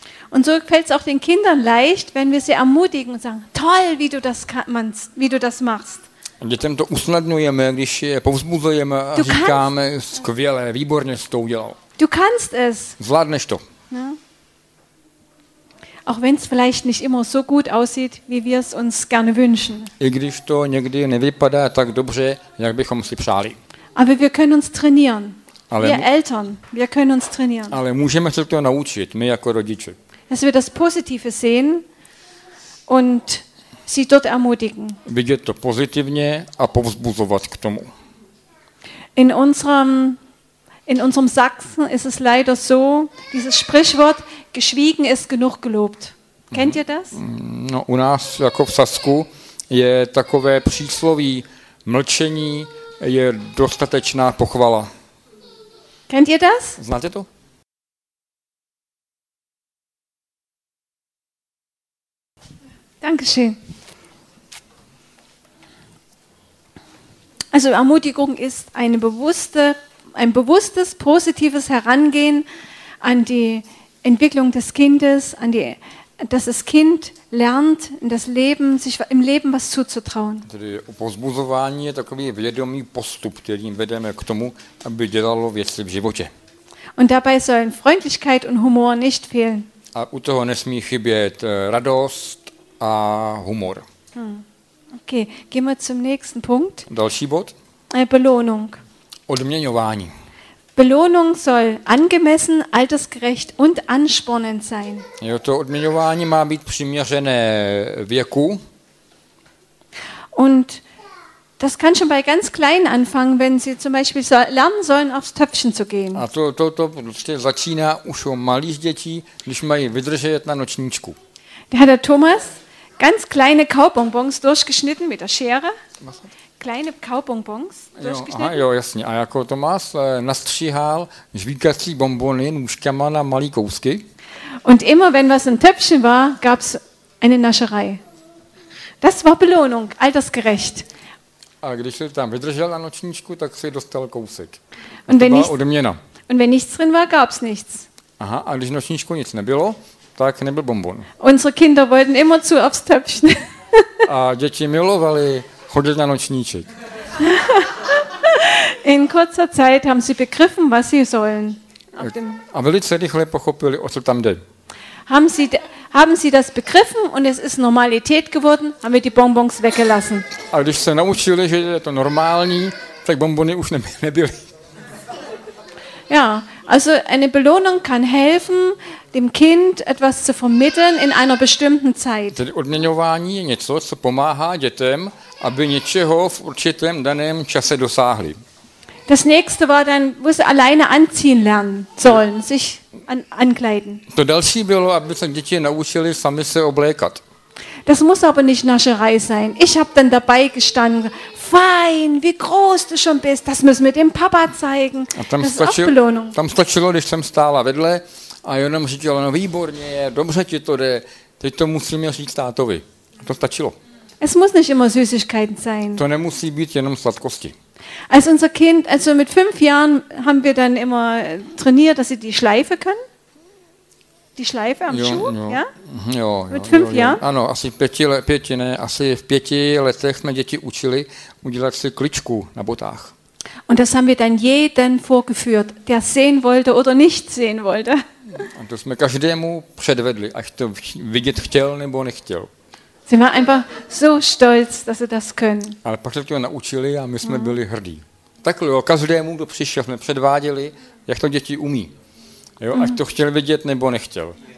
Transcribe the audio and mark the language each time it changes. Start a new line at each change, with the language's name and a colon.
German: Und so fällt es auch den Kindern leicht, wenn wir sie ermutigen und sagen, toll, wie du das machst.
Czech: Dětem to usnadňujeme, když je povzbuzujeme a
German: du
Czech: říkáme, skvěle, výborně jsi to udělal.
German: Du kannst es.
Czech: Zvládneš to. Ja.
German: Auch wenn es vielleicht nicht immer so gut aussieht, wie wir es uns gerne wünschen.
Czech: I když to někdy nevypadá tak dobře, jak bychom si přáli.
German: Aber wir können uns trainieren. Wir Eltern, wir können uns trainieren.
Czech: Ale můžeme se to naučit, my jako rodiče.
German: dass wir das Positive sehen und sie dort ermutigen.
Czech: Vidět to pozitivně a povzbuzovat k tomu.
German: In unserem Sachsen ist es leider so, dieses Sprichwort, geschwiegen ist genug gelobt. Kennt ihr das?
Czech: No, u nás jako v Sasku je takové přísloví, mlčení je dostatečná pochvala.
German: Kennt ihr das?
Czech: Znáte to?
German: Dankeschön. Also Ermutigung ist ein bewusstes, positives Herangehen an die Entwicklung des Kindes, dass das Kind lernt, sich im Leben was zuzutrauen.
Czech: Tedy povzbuzování je takový vědomý postup, kterým vedeme k tomu, aby dělalo věci v životě.
German: Und dabei sollen Freundlichkeit und Humor nicht fehlen.
Czech: A u toho nesmí chybět radost a humor.
German: Okay, gehen wir zum nächsten Punkt.
Czech: Další bod.
German: Belohnung.
Czech: Odměňování.
German: Belohnung soll angemessen, altersgerecht und anspornend sein.
Czech: Jo, to odměňování má být přiměřené věku.
German: Und das kann schon bei ganz kleinen anfangen, wenn sie zum Beispiel lernen sollen, aufs Töpfchen zu gehen.
Czech: A to prostě začíná už u malých dětí, když mají vydržet na nočníčku.
German: Der Thomas ganz kleine Kaubonbons durchgeschnitten mit der Schere. Kleine Kaubonbons durchgeschnitten.
Czech: Jo, jasně. A jako Tomáš nastříhal žvýkací bonbony nůžkama na malý kousky.
German: Und immer wenn was im Töpfchen war, gab's eine Nascherei. Das war Belohnung, altersgerecht.
Czech: A když se tam vydržel na nočníčku, tak si dostal kousek.
German: Und wenn nichts
Czech: odměna.
German: Und wenn nichts drin war, gab's nichts.
Czech: Aha, a když nočníčku nic nebylo, tak nebyl bonbon.
German: Unsere Kinder wollten immer zu aufs Töpfchen.
Czech: A děti milovali chodit na nočníček.
German: In kurzer Zeit haben sie begriffen, was sie sollen.
Czech: A velice rychle pochopili, o co tam jde.
German: Haben sie das begriffen und es ist Normalität geworden, haben wir die Bonbons weggelassen.
Czech: A když se naučili, že je to normální, tak bonbony už nebyly.
German: Ja, also eine Belohnung kann helfen, dem Kind etwas zu vermitteln in einer bestimmten Zeit.
Czech: Tedy odměňování je něco, co pomáhá dětem, aby něčeho v určitém daném čase dosáhli.
German: Das nächste war dann, wo sie alleine anziehen lernen sollen, sich ankleiden.
Czech: To další bylo, aby se děti naučili sami se oblékat.
German: Das muss aber nicht Nascherei sein. Ich habe dann dabei gestanden. Fein, wie groß du schon bist. Das müssen wir dem Papa zeigen. Das ist auch Belohnung.
Czech: Tam stačilo, když jsem stála vedle a jenom říkala, no výborně, dobře ti to jde. Teď to musím říct tátovi. To stačilo.
German: Es muss nicht immer Süßigkeiten sein.
Czech: To nemusí být jenom sladkosti.
German: Als unser Kind, also mit 5 Jahren haben wir dann immer trainiert, dass sie die Schleife können. Die Schleife am Schuh,
Czech: ja? Jo, jo.
German: Mit 5 Jahren?
Czech: Ano, asi v pěti letech jsme děti učili udělat si kličku na botách.
German: Und das haben wir dann jeden vorgeführt, der sehen wollte oder nicht sehen wollte.
Czech: A to jsme každému předvedli, ať to vidět chtěl nebo nechtěl.
German: Sie waren einfach so stolz, dass sie das können.
Czech: Ale pak se to naučili a my jsme byli hrdí. Takhle, jo, každému, kdo přišel, jsme předváděli, jak to děti umí. Jo, ať to chtěl vidět nebo nechtěl.